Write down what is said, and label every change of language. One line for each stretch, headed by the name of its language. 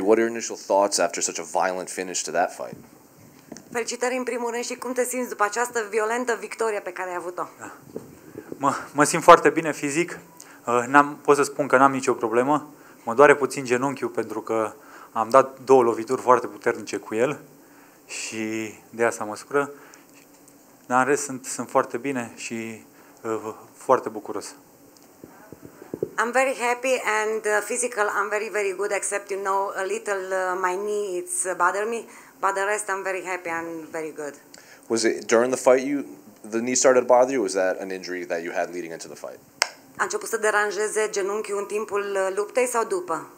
English: What are your initial thoughts after such a violent finish to that fight?
Romanian: Felicitări în primul rând și cum te simți după această violentă victorie pe care ai avut-o? Mă simt foarte bine fizic. Pot să spun că n-am nicio problemă. Mă doare puțin genunchiul pentru că am dat două lovituri foarte puternice cu el și de asta mă supără. Dar în rest sunt foarte bine și foarte bucuros.
English: I'm very happy and physical. I'm very, very good, except, you know, a little my knee, it's bother me. But the rest, I'm very happy and very good. Was it during the fight the knee started to bother you? Or was that an injury that you had leading into the fight?
Romanian: A început să deranjeze genunchiul în timpul luptei sau după?